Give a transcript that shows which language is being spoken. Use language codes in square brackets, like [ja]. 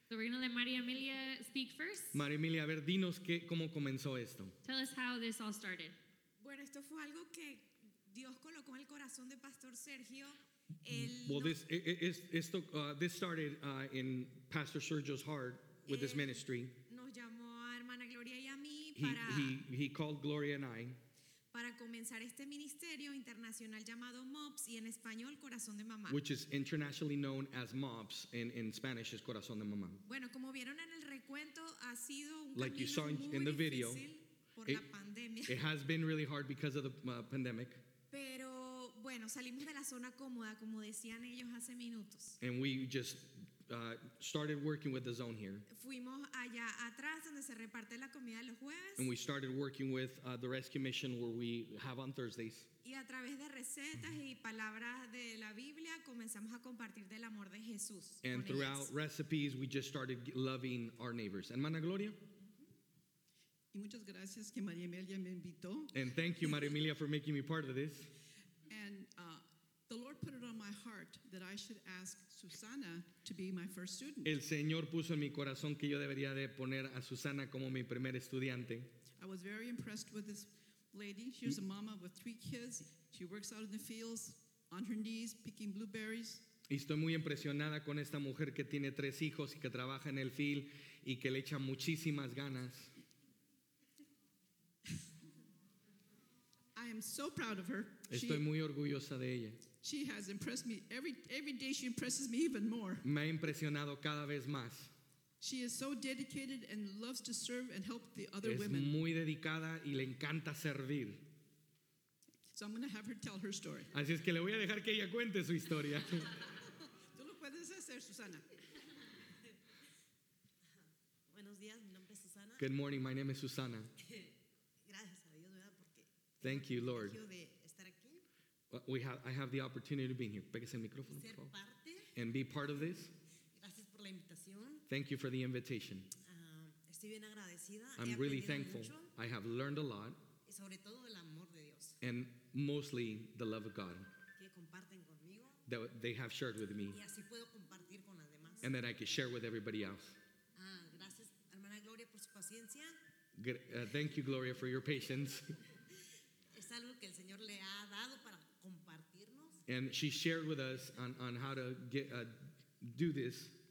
[en] So we're going to let María Emilia speak first. [es] María Emilia, a ver, dinos qué, cómo comenzó esto. [en] Tell us how this all started. [es] Bueno, esto fue algo que Dios colocó en el corazón de Pastor Sergio. [en] Well, this started in Pastor Sergio's heart with his ministry. [es] Nos llamó a hermana Gloria y a mí para [en] he called Gloria and I [es] para comenzar este ministerio internacional llamado MOPS y en español Corazón de Mamá, [en] which is internationally known as MOPS and in Spanish is Corazón de Mamá. [es] Bueno, como vieron en el recuento, ha sido un [en] like [es] camino [en] you saw [es] muy [en] in the video, [es] por la pandemia. [en] It has been really hard because of the pandemic. [es] Pero bueno, salimos de la zona cómoda, como decían ellos hace minutos. [en] And we just started working with the zone here. [es] Fuimos allá atrás donde se reparte la comida los jueves. [en] And we started working with the rescue mission where we have on Thursdays. [es] Y a través de recetas y palabras de la Biblia comenzamos a compartir del amor de Jesús. [en] And throughout recipes we just started loving our neighbors. And Mana Gloria. [es] Y muchas gracias que María Emilia me invitó. [en] And thank you, María Emilia, for making me part of this. And the Lord put it on my heart that I should ask Susana to be my first student. [es] El Señor puso en mi corazón que yo debería de poner a Susana como mi primer estudiante. [en] I was very impressed with this lady. She's a mama with three kids. She works out in the fields on her knees picking blueberries. [es] Y estoy muy impresionada con esta mujer que tiene tres hijos y que trabaja en el field y que le echa muchísimas ganas. [en] I am so proud of her. [es] Estoy muy orgullosa de ella. [en] She has impressed me. Every day she impresses me even more. [es] Me ha impresionado cada vez más. [en] She is so dedicated and loves to serve and help the other [es] es [en] women. [es] Es muy dedicada y le encanta servir. [en] So I'm going to have her tell her story. [es] Así es que le voy a dejar que ella cuente su historia. Tú lo puedes hacer, Susana. Buenos días, mi nombre es Susana. [en] Good morning, my name is Susana. [es] Gracias a Dios, ¿verdad? Porque [en] thank you, Lord. [es] De estar aquí. [en] I have the opportunity to be here. [es] Pégase el micrófono, por favor. Parte. [en] And be part of this. [es] Gracias por la invitación. [en] Thank you for the invitation. [es] Estoy bien agradecida. [en] I'm really thankful. [es] Mucho. [en] I have learned a lot. [es] Y sobre todo el amor de Dios. [en] And mostly the love of God. [es] Que comparten conmigo. [en] That they have shared with me. [es] Y así puedo compartir con las demás. [en] And that I can share with everybody else. [es] Gracias, hermana Gloria, por su paciencia. [en] Thank you, Gloria, for your patience. [es] Es algo que el Señor le ha dado para compartirnos. [en] And she shared with us on how to get, do this.